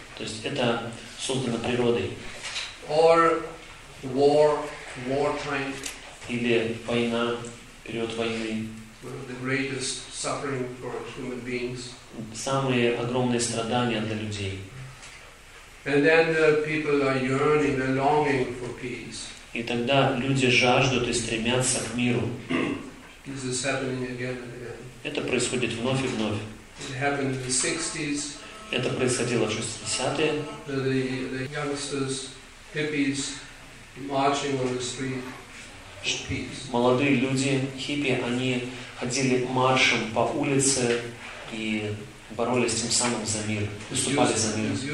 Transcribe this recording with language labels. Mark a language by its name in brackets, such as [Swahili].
[Russian] То есть это создано природой. [English] Or war, wartime. [Russian] Или война, период войны. [English] The greatest suffering for human beings. [Russian] Самые огромные страдания для людей. [English] And then the people are yearning, they're longing for peace. [Russian] И тогда люди жаждут и стремятся к миру. [English] This is happening again and again. [Russian] Это происходит вновь и вновь. [English] It happened in the 60s. [Russian] Это происходило в 60-е. [English] The youngsters, hippies, marching on the street for peace. [Russian] Молодые люди, хиппи, они ходили маршем по улице и боролись тем самым за мир, выступали за мир.